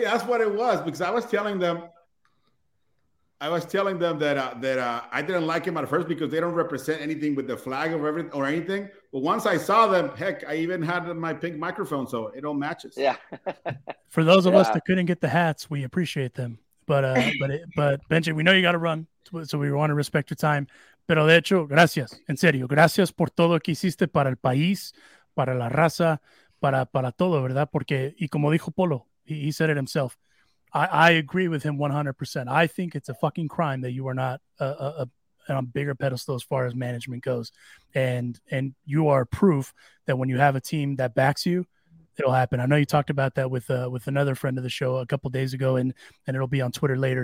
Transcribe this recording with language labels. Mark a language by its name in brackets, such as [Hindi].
[English] That's what it was, because I was telling them that I didn't like him at first because they don't represent anything with the flag or everything or anything. But once I saw them, heck, I even had my pink microphone, so it all matches. Yeah. For those of us that couldn't get the hats, we appreciate them. But Benji, we know you got to run, so we want to respect your time. [Spanish] Pero de hecho, gracias, en serio, gracias por todo que hiciste para el país, para la raza, para todo, verdad? Porque y como dijo Polo, [English] he said it himself. I agree with him 100%. I think it's a fucking crime that you are not on a bigger pedestal as far as management goes. And you are proof that when you have a team that backs you, it'll happen. I know you talked about that with another friend of the show a couple days ago, and it'll be on Twitter later.